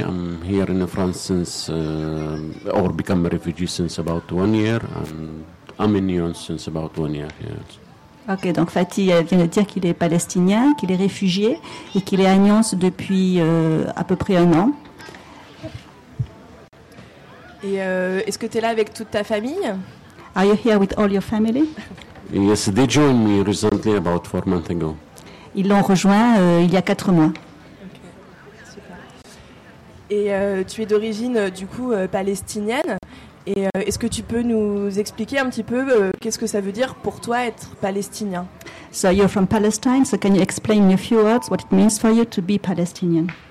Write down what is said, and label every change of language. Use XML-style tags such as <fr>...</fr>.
<en>I'm here in France become a refugee since about 1 year. And I'm in Lyon since about 1 year. Yes.</en> <fr>Okay, donc Fatih vient de dire qu'il est palestinien, qu'il est réfugié et qu'il est à Lyon depuis à peu près un an. Et est-ce que tu es là avec toute ta famille?</fr> <en>Are you here with all your family? Yes, they joined me recently, about 4 months ago.</en> <fr>Ils l'ont rejoint il y a 4 mois. Okay. Super. Et tu es d'origine, du coup, palestinienne. Et est-ce que tu peux nous expliquer un petit peu qu'est-ce que ça veut dire pour toi être palestinien?</fr> <en>So you're from Palestine, so can you explain in a few words what it means for you to be Palestinian?</en>